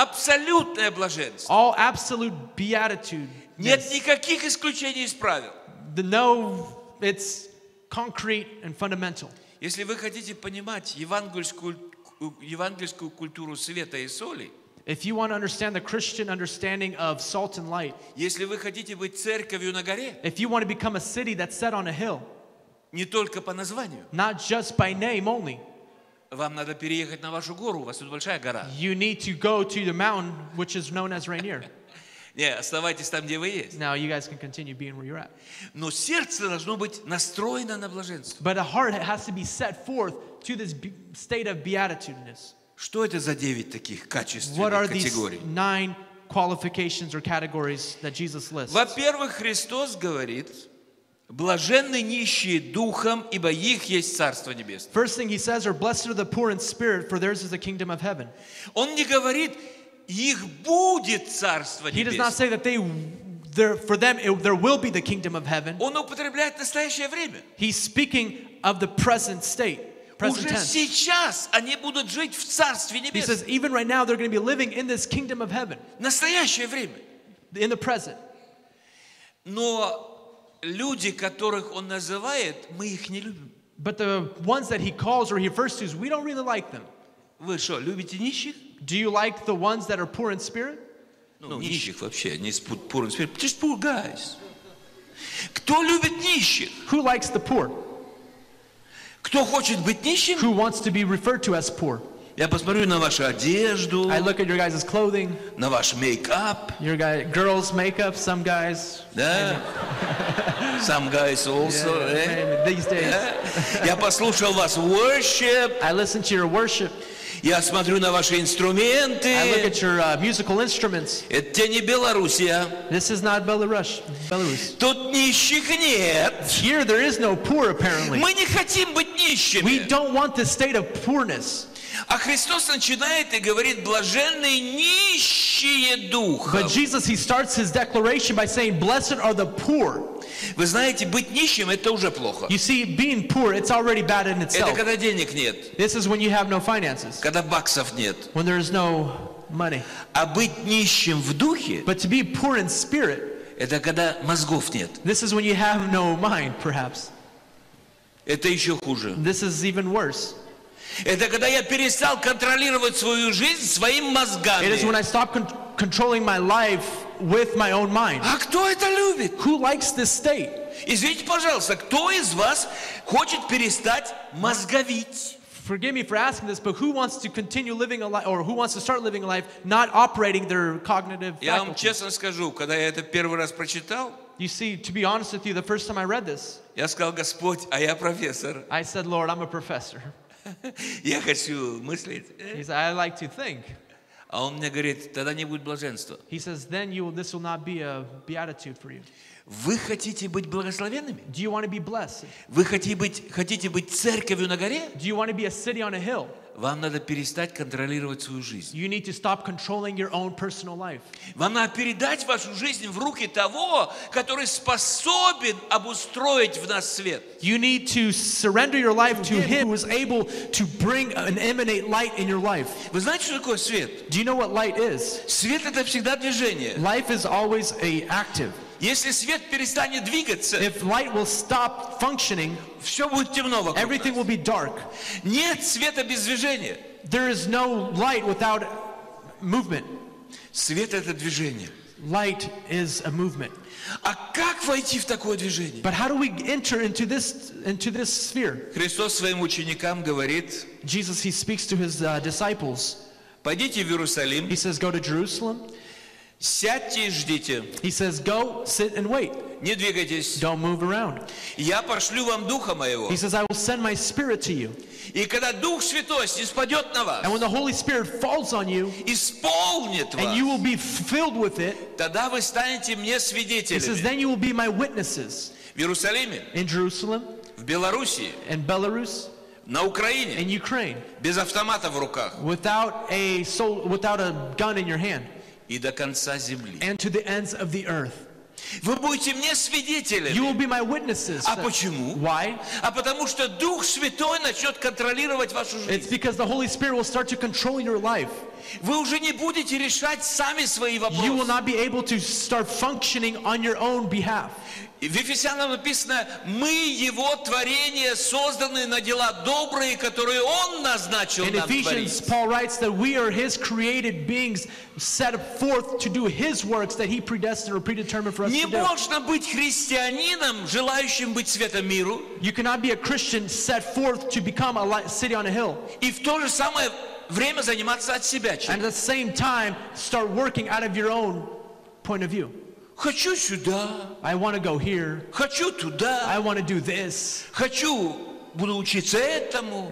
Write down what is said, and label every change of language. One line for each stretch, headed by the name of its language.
Russian: Абсолютное блаженство.
English: All absolute beatitude.
Russian: Нет никаких исключений из правил.
English: No, it's concrete and fundamental.
Russian: Если вы хотите понимать евангельскую культуру света и соли,
English: if you want to understand the Christian understanding of salt and light,
Russian: если вы хотите быть церковью на горе,
English: if you want to become a city that's set on a hill,
Russian: не только по названию,
English: not just by name only,
Russian: вам надо переехать на вашу гору, у вас тут большая гора,
English: you need to go to the mountain which is known as Rainier.
Russian: Не, оставайтесь там, где вы есть.
English: Now you guys can continue being where you're at.
Russian: Но сердце должно быть настроено на блаженство.
English: But a heart has to be set forth to this state of beatitudeness.
Russian: Что это за 9 таких качественных категорий?
English: What are these 9 qualifications or categories that Jesus lists?
Russian: Во-первых, Христос говорит: блаженны нищие духом, ибо их есть Царство Небесное.
English: First thing he says are blessed are the poor in spirit, for theirs is the kingdom of heaven.
Russian: Он не говорит их будет Царство Небесное.
English: He does not say that they, for them, there will be the kingdom of heaven.
Russian: Он употребляет настоящее время.
English: He's speaking of the present state.
Russian: Уже сейчас они будут жить в Царстве Небесном.
English: He says even right now they're going to be living in this kingdom of heaven.
Russian: Настоящее время.
English: In the present.
Russian: Но люди, которых он называет, мы их не любим.
English: But the ones that he calls or he refers to, we don't really like them.
Russian: Вы что, любите нищих?
English: Do you like the ones that are poor in spirit?
Russian: Ну, нищих вообще, они
English: poor in spirit. Just poor guys.
Russian: Кто любит нищих?
English: Who likes the poor?
Russian: Кто хочет быть нищим?
English: Who wants to be referred to as poor?
Russian: Я посмотрю на вашу одежду.
English: I look at your guys' clothing.
Russian: На ваш makeup.
English: Your guys, girls' makeup, some guys.
Russian: Да.
English: Some guys also. These days.
Russian: Я послушал вас worship.
English: I listen to your worship.
Russian: Я смотрю на ваши инструменты.
English: I look at your musical instruments.
Russian: Это не Белоруссия.
English: This is not Belarus. Belarus.
Russian: Тут нищих нет.
English: Here there is no poor apparently.
Russian: Мы не хотим быть нищими.
English: We don't want the state of poorness.
Russian: А Христос начинает и говорит: блаженны нищие духом.
English: But Jesus, he starts his declaration by saying, blessed are the poor.
Russian: Вы знаете, быть нищим это уже плохо.
English: You see, being poor, it's already bad in itself.
Russian: Это когда денег нет.
English: This is when you have no finances.
Russian: Когда баксов нет.
English: When there is no money.
Russian: А быть нищим в духе.
English: But to be poor in spirit.
Russian: Это когда мозгов нет.
English: This is when you have no mind, perhaps.
Russian: Это еще хуже.
English: This is even worse.
Russian: Это когда я перестал контролировать свою жизнь своим мозгами.
English: It is when I stop controlling my life with my own mind.
Russian: А кто это любит?
English: Who likes this state?
Russian: Извините, пожалуйста, кто из вас хочет перестать мозговить?
English: Forgive me for asking this, but who wants to continue living a life, or who wants to start living a life not operating their cognitive faculties?
Russian: Я вам честно скажу, когда я это первый раз прочитал.
English: You see, to be honest with you, the first time I read this.
Russian: Я сказал: Господь, а я профессор.
English: I said, Lord, I'm a professor.
Russian: Я хочу мыслить.
English: He said, I like to think.
Russian: А он мне говорит: тогда не будет блаженства.
English: He says, then this will not be a beatitude for you.
Russian: Вы хотите быть благословенными?
English: Do you want to be blessed?
Russian: Вы хотите быть церковью на горе?
English: Do you want to be a city on a hill?
Russian: вам надо перестать контролировать свою жизнь.
English: You need to stop controlling your own personal life.
Russian: Вам надо передать вашу жизнь в руки того, который способен обустроить в нас свет.
English: You need to surrender your life to him who is able to bring and emanate light in your life.
Russian: Вы знаете, что такое свет?
English: Do you know what light is?
Russian: Свет — это всегда движение.
English: Life is always a active.
Russian: Если свет перестанет двигаться,
English: if light will stop functioning,
Russian: все будет темно вокруг.
English: Everything
Russian: нас.
English: Will be dark.
Russian: Нет света без движения.
English: There is no light without movement.
Russian: Свет — это движение.
English: Light is a movement.
Russian: А как войти в такое движение?
English: But how do we enter into this sphere?
Russian: Христос своим ученикам говорит.
English: Jesus, he speaks to his disciples.
Russian: Пойдите в Иерусалим.
English: He says, go to Jerusalem.
Russian: Сядьте и ждите.
English: He says, go, sit and wait.
Russian: Не двигайтесь.
English: Don't move around.
Russian: Я пошлю вам Духа моего.
English: He says, I will send my Spirit to you.
Russian: И когда Дух Святой сниспадет на вас,
English: and when the Holy Spirit falls on you,
Russian: исполнит вас,
English: and you will be filled with it,
Russian: тогда вы станете мне свидетелями.
English: He says, then you will be my witnesses.
Russian: В Иерусалиме.
English: In Jerusalem.
Russian: В Белоруссии.
English: In Belarus.
Russian: На Украине.
English: In Ukraine.
Russian: Без автомата в руках.
English: Without a gun in your hand.
Russian: И до конца земли.
English: And to the ends of the earth.
Russian: Вы будете мне свидетелями.
English: You will be my witnesses.
Russian: А почему?
English: Why?
Russian: А потому что Дух Святой начнет контролировать вашу жизнь.
English: It's because the Holy Spirit will start to control your life.
Russian: Вы уже не будете решать сами свои вопросы.
English: You will not be able to start functioning on your own behalf.
Russian: В Ефесянам написано, мы Его творение, созданные на дела добрые, которые Он назначил нам творить.
English: In Ephesians, Paul writes that we are His created beings set forth to do His works that He predestined or predetermined for us to do.
Russian: Не можно быть христианином, желающим быть светом миру.
English: You cannot be a Christian set forth to become a city on a hill.
Russian: И в то же самое время заниматься от себя.
English: And at the same time, start working out of your own point of view.
Russian: Хочу сюда.
English: I want to go here.
Russian: Хочу туда.
English: I want to do this.
Russian: Хочу буду учиться этому.